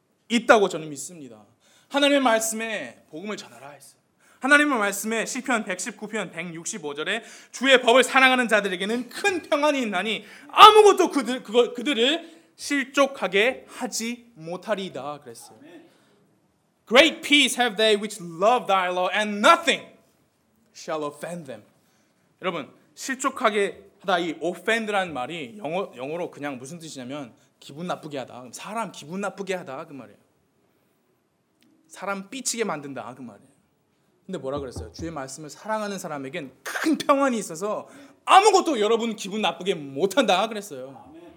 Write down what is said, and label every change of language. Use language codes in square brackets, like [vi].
[ko] 있다고 저는 믿습니다. 하나님의 말씀에 복음을 전하라 했어요. 하나님의 말씀에 시편 119편 165절에 주의 법을 사랑하는 자들에게는 큰 평안이 있나니 아무것도 그들을 실족하게 하지 못하리이다 그랬어요. [en] Great peace have they which love thy law, and nothing shall offend them. [ko] 여러분, 실족하게 하다 이 offend라는 말이 영어로 그냥 무슨 뜻이냐면 기분 나쁘게 하다. 사람 기분 나쁘게 하다 그 말이에요. 사람 삐치게 만든다 그 말이에요. 근데 뭐라 그랬어요? 주의 말씀을 사랑하는 사람에겐 큰 평안이 있어서 아무것도 여러분 기분 나쁘게 못한다 그랬어요.